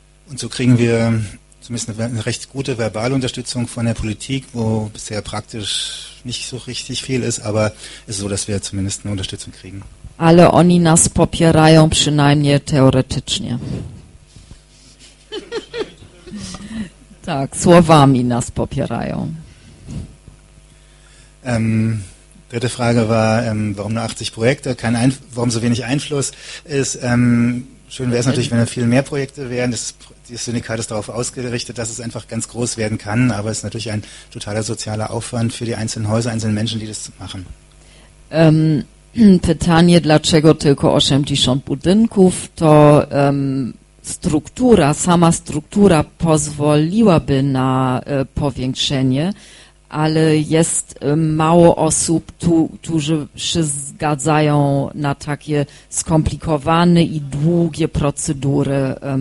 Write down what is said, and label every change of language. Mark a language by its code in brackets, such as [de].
[de] Und so kriegen wir zumindest eine recht gute verbale Unterstützung von der Politik, wo bisher praktisch nicht so richtig viel ist, aber es ist so, dass wir zumindest eine Unterstützung kriegen. [pl] Ale oni nas popierają przynajmniej teoretycznie. Tak, słowami nas popierają. [de] Dritte Frage war, warum nur 80 Projekte, warum so wenig Einfluss ist. Schön wäre es natürlich, wenn da viel mehr Projekte wären. Das Syndikat ist darauf ausgerichtet, dass es einfach ganz groß werden kann, aber es ist natürlich ein totaler sozialer Aufwand für die einzelnen Häuser, einzelnen Menschen, die das machen. [pl] Pytanie, dlaczego tylko 80 budynków, to struktura, sama struktura pozwoliłaby na powiększenie, ale jest mało osób, którzy się zgadzają na takie skomplikowane i długie procedury